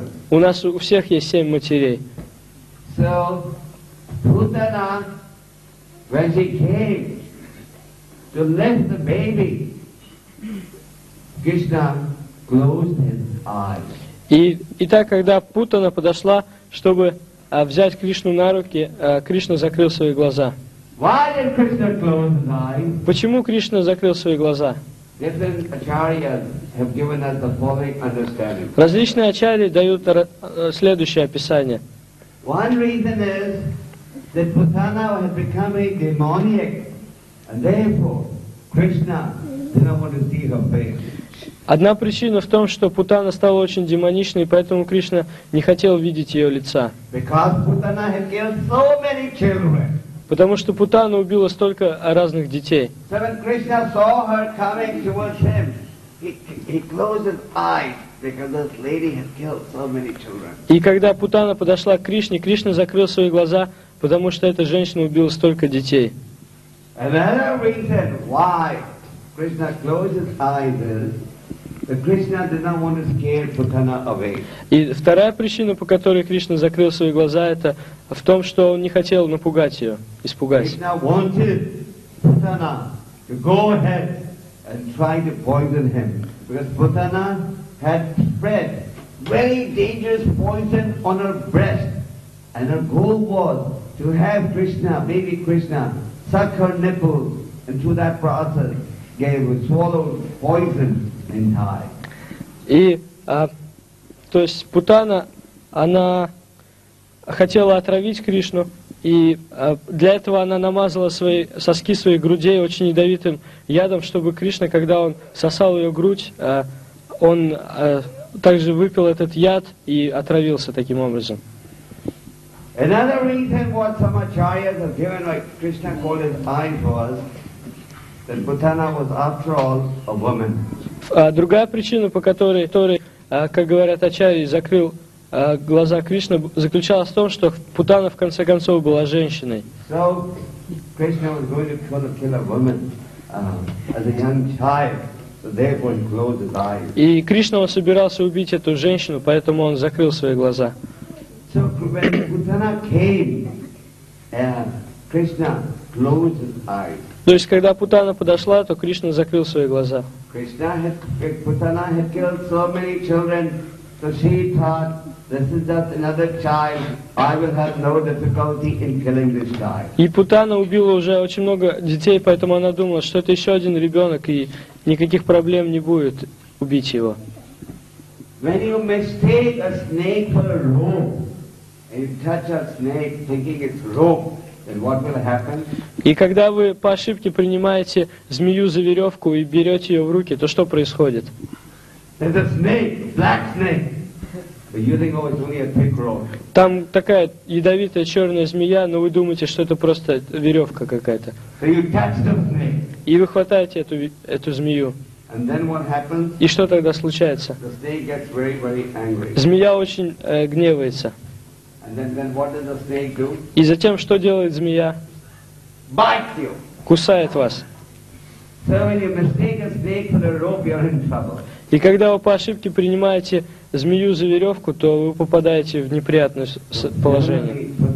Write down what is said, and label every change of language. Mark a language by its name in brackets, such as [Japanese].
[Russian] У нас у всех есть семь матерей. [English] So, Putana, when she came, to lift the baby, Krishna closed his eyes. [Russian] И так, когда Путана подошла, чтобы взять Кришну на руки, Кришна закрыл свои глаза. [English] Why did Krishna close his eyes? [Russian] Почему Кришна закрыл свои глаза? [English] Different acharyas have given us the following understanding. [Russian] Различные ачарьи дают следующее описание. [English] One reason is that Putana has become a demoniac. And therefore, Krishna did not want to see her face. [Russian] Одна причина в том, что Путана стала очень демоничной, поэтому Кришна не хотел видеть ее лица. [English] Because Putana had killed so many children. [Russian] Потому что Путана убила столько разных детей. [English] So when Krishna saw her coming towards him, he closed his eyes because this lady had killed so many children. [Russian] И когда Путана подошла к Кришне, Кришна закрыл свои глаза, потому что эта женщина убила столько детей. [English] Another reason why Krishna closed his eyes is that Krishna did not want to scare Putana away. [Russian] И вторая причина, по которой Кришна закрыл свои глаза, это в том, что он не хотел напугать ее, испугать. [English] Krishna wanted Putana to go ahead and try to poison him because Putana had spread very dangerous poison on her breast, and her goal was to have Krishna, baby Krishna, suck her nipples, and through that process gave swallow poison in Thai. [Russian] И, то есть Путана, она хотела отравить Кришну, и для этого она намазала свои соски своей грудей очень ядовитым ядом, чтобы Кришна, когда он сосал ее грудь, он также выпил этот яд и отравился таким образом. [English] Another reason what some acharyas have given, like Krishna called his eyes, was that Putana was after all a woman. [Russian] Другая причина, по которой, как говорят ачарьи, закрыл глаза Кришны, заключалась в том, что Путана в конце концов была женщиной. [English] So Krishna was going to kill a woman as a young child, so therefore he closed his eyes. [Russian] И Кришна собирался убить эту женщину, поэтому он закрыл свои глаза. [English] So when Putana came, Krishna closed his eyes. [Russian] То есть когда Путана подошла, то Кришна закрыл свои глаза. [English] Krishna had killed so many children, so she thought This is just another child. I will have no difficulty in killing this child. [Russian] И Путана убила уже очень много детей, поэтому она думала, что это еще один ребенок, и никаких проблем не будет убить его. [English] When you mistake a snake for a rope, and you touch a snake thinking it's rope, then what will happen? [Russian] И когда вы по ошибке принимаете змею за веревку и берете ее в руки, то что происходит? [English] There's a snake, black snake. You think, oh, it's only a thick rope. [Russian] Там такая ядовитая черная змея, но вы думаете, что это просто веревка какая-то. [English] So you touch the snake. [Russian] И вы хватаете эту змею. [English] And then what happens? [Russian] И что тогда случается? [English] The snake gets very, very angry. [Russian] Змея очень гневается. [English] And then what does the snake do? [Russian] И затем что делает змея? [English] Bites you. [Russian] Кусает вас. [English] So when you mistake a snake for a rope, you're in trouble. [Russian] И когда вы по ошибке принимаете змею за веревку, то вы попадаете в неприятное положение.